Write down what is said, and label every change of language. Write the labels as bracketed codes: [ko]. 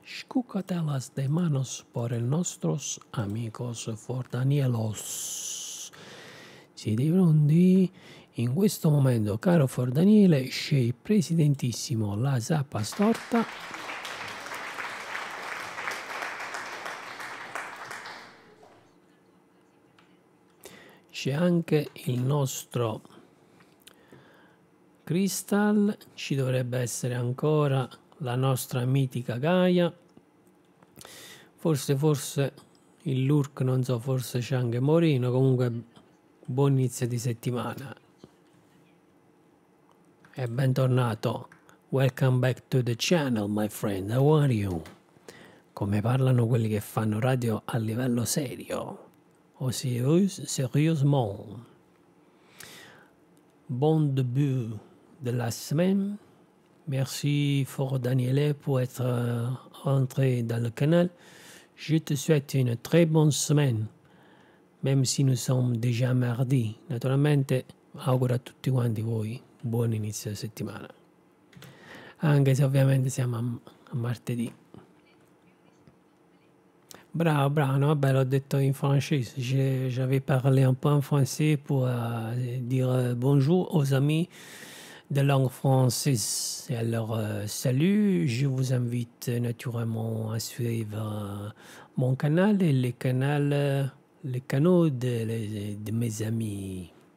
[es] Scucatelas de manos por el nostros amigos Ford Danielos. [it] Siete pronti? In questo momento, caro For Daniele, esce il presidentissimo La Zappa Storta. C'è anche il nostro Crystal, ci dovrebbe essere ancora la nostra mitica Gaia. Forse il Lurk, non so, forse c'è anche Morino. Comunque, buon inizio di settimana. E bentornato. [en] Welcome back to the channel, my friend. How are you? [it] Come parlano quelli che fanno radio a livello serio? [fr] O sérieusement? Bon début de la semaine. Merci for Daniele pour être rentré dans le canal. Je te souhaite une très bonne semaine, même si nous sommes déjà mardi. [it] Naturalmente, auguro a tutti quanti voi buon inizio di settimana. Anche se ovviamente siamo a martedì. Bravo, bravo, no? Beh, l'ho detto in francese. [fr] J'avais parlé un peu en français pour dire bonjour aux amis de langue française. Et alors, salut, je vous invite naturellement à suivre mon canal et les canaux de mes amis.